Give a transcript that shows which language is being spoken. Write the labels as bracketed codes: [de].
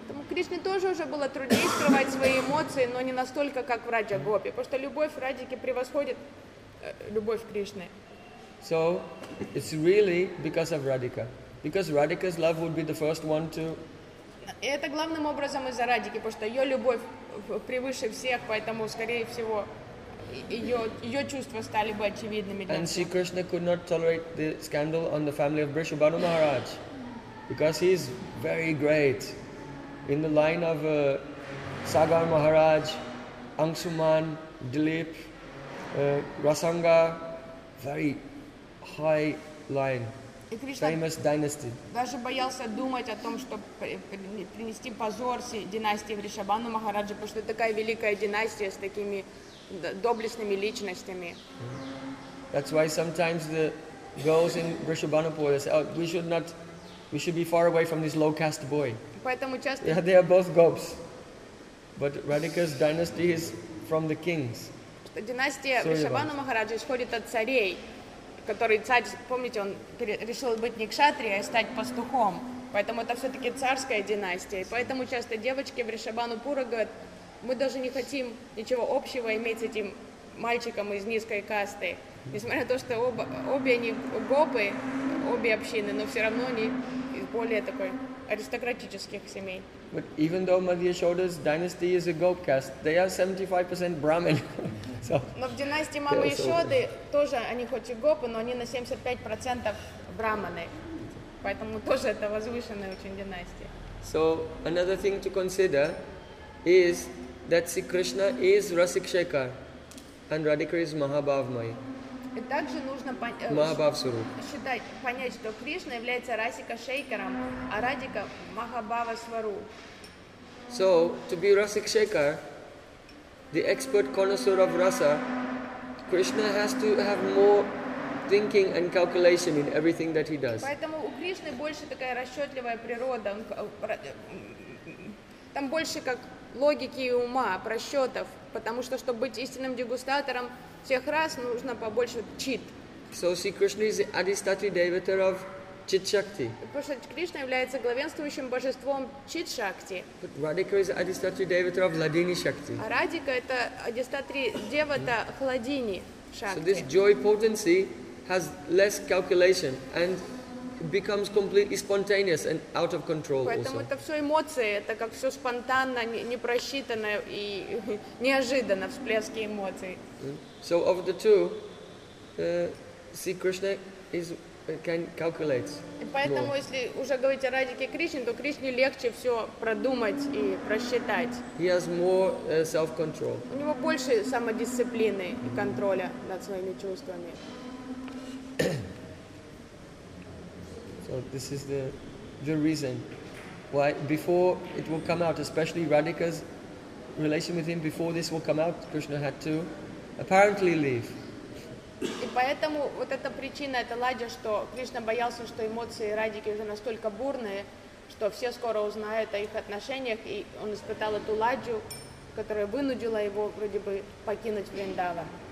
[ru] Кришне тоже уже было труднее скрывать свои эмоции, но не настолько, как в Раджа Гопи, потому что любовь Радхики превосходит любовь Кришны. [en] So, it's really because of Radhika. Because Radhika's love would be the first one to... [ru] И это главным образом из-за Радхики, потому что ее любовь превыше всех, поэтому, скорее всего, ее чувства стали бы очевидными для [en] And see, Krishna could not tolerate the scandal on the family of Vrishabhanu Maharaj, because he is very great. In the line of Sagar Maharaj, Angsuman, Dilip, Rasanga, very high line, famous dynasty. [ru] Даже боялся думать о том, что принести позор династии Вришабану Махараджа, потому что такая великая династия с такими доблестными личностями. [en] That's why sometimes the girls in Vrishabhanupur say, oh, we should be far away from this low caste boy. [ru] Поэтому часто... [en] Yeah, they are both gopis. But Radhika's dynasty is from the kings. [ru] Династия Вришабану Махараджа исходит от царей, который царь, помните, он решил быть не кшатрией, а стать пастухом. Поэтому это все-таки царская династия. И поэтому часто девочки Вришабанупура говорят, мы даже не хотим ничего общего иметь с этим мальчиком из низкой касты. Несмотря на то, что обе они гопы, обе общины, но все равно они более такой... аристократических семей. [en] But even though Madhya Yashoda's dynasty is a goat caste, they are 75% Brahmin. [ru] Но в династии Мамы Яшоды тоже они хоть и гопы, но они на 75% брахманы. Поэтому тоже это возвышенная очень династия. [en] So another thing to consider is that Sri Krishna is Rasikshekha and Radhika is Mahabhavmai. [ru] И также нужно понять, что Кришна является Расика Шейкаром, а Радика Махабава Свару. [en] So, to be Rasik Shekhar, the expert connoisseur of rasa, Krishna has to have more thinking and calculation in everything that he does. [ru] Поэтому у Кришны больше такая расчетливая природа, там больше как логики и ума, просчетов, потому что чтобы быть истинным дегустатором всех раз нужно побольше чит. [en] So Sri Krishna is the Adhisthati Devata of Chit Shakti. [ru] Потому что Кришна является главенствующим божеством Чит Шакти. [en] But Radhika is Adhisthati Devata of Ladini Shakti. [ru] А Радика это Адхистатри Девата Хладини Шакти. [en] So this joy potency has less calculation and becomes completely spontaneous and out of control. [ru] Поэтому это все эмоции, это как все спонтанно, непросчитанно и неожиданно всплески эмоций. [en] So of the two, Sri Krishna is can calculate. [ru] И поэтому, [en] more. [ru] Если уже говорить о Радике Кришне, то Кришне легче все продумать и просчитать. [en] He has more self-control. [ru] У него больше самодисциплины и контроля над своими чувствами. [en] So this is the reason why before it will come out, especially Radhika's relation with him, before this will come out, Krishna had to. Apparently leave. [ru] И поэтому вот эта причина, это ладья, что Кришна боялся, что эмоции Радики уже настолько бурные, что все скоро узнают о их отношениях, и он испытал эту ладью, которая вынудила его вроде бы покинуть Вриндава.